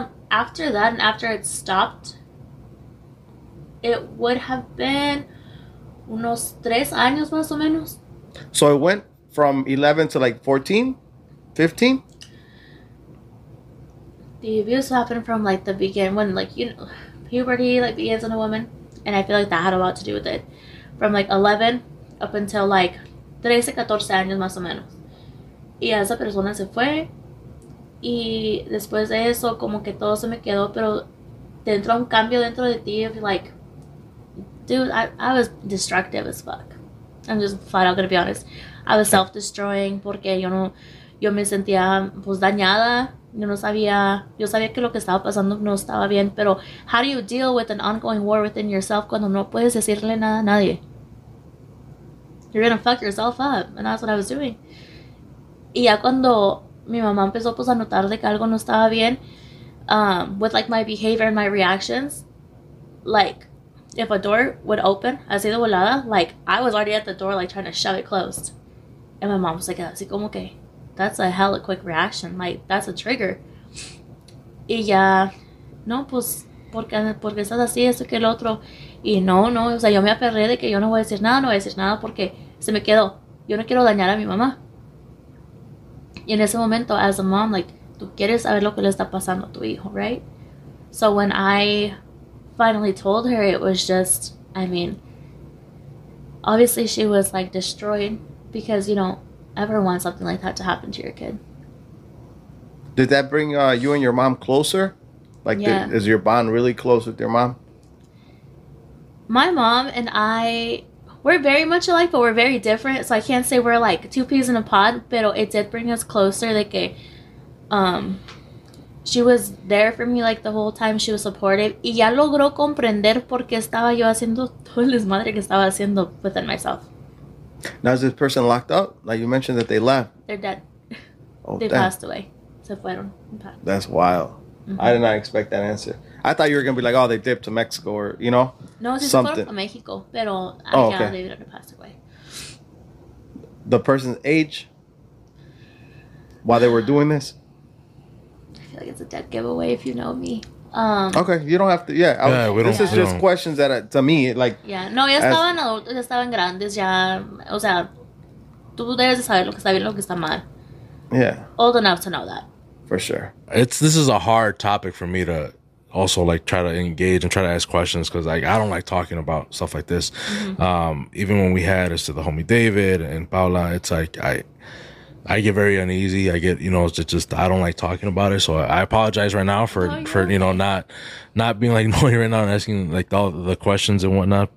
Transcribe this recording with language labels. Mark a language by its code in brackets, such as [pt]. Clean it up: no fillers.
[en] After that, and after it stopped, it would have been [es] unos tres años más o menos. [en] So it went from 11 to like 14, 15? The abuse happened from like the beginning, when like, you know, puberty like begins in a woman. And I feel like that had a lot to do with it. From like 11 up until like 13, 14 [es] años más o menos. Y esa persona se fue. Y después de eso, como que todo se me quedó. Pero dentro un cambio dentro de ti, [en] like, dude, I was destructive as fuck. I'm just flat out gonna be honest. I was self-destroying [es] porque yo no, yo me sentía pues dañada. Yo no sabía, yo sabía que lo que estaba pasando no estaba bien. [en] Pero how do you deal with an ongoing war within yourself [es] cuando no puedes decirle nada a nadie? [en] You're gonna fuck yourself up. And that's what I was doing. [es] Y ya cuando mi mamá empezó pues a notar de que algo no estaba bien, [en] with like my behavior and my reactions, like, if a door would open, [es] así de volada, [en] like, I was already at the door, like, trying to shove it closed. And my mom was like, [es] así como que, [en] that's a hella quick reaction. Like, that's a trigger. [es] Y ya, no, pues, porque estás así, esto que el otro. Y no, no, o sea, yo me aferré de que yo no voy a decir nada, porque se me quedó. Yo no quiero dañar a mi mamá. Y en ese momento, [en] as a mom, like, [es] tú quieres saber lo que le está pasando a tu hijo, right? [en] So when I finally told her, it was just, I mean, obviously she was like destroyed, because you don't ever want something like that to happen to your kid. Did that bring you and your mom closer? Like, yeah. Is your bond really close with your mom? My mom and I, we're very much alike, but we're very different, so I can't say we're like two peas in a pod, but it did bring us closer. Like, a she was there for me, like, the whole time. She was supportive. [es] Y ya logró comprender por qué estaba yo haciendo todo el desmadre que estaba haciendo [en] within myself. Now, is this person locked up? Like, you mentioned that they left. They're dead. Oh, they passed away. [es] Se fueron. [en] That's wild. Mm-hmm. I did not expect that answer. I thought you were going to be like, oh, they dipped to Mexico or, you know, no, something. [es] No, se fueron a Mexico, pero allá [en] they didn't pass away. The person's age? While they were doing this? Like, it's a dead giveaway if you know me. Okay, you don't have to. Yeah, yeah, this is just questions that to me, like, yeah, [es] no, ya estaban adultos, ya estaban grandes, ya, o sea, tú debes de saber lo que está bien, lo que está mal. [en] Yeah, old enough to know that for sure. This is a hard topic for me to also like try to engage and try to ask questions, because like I don't like talking about stuff like this. Mm-hmm. Even when we had us to the homie David and Paula, it's like I get very uneasy. I get, you know, it's just I don't like talking about it. So I apologize right now for you know, not being like annoying right now and asking like all the questions and whatnot.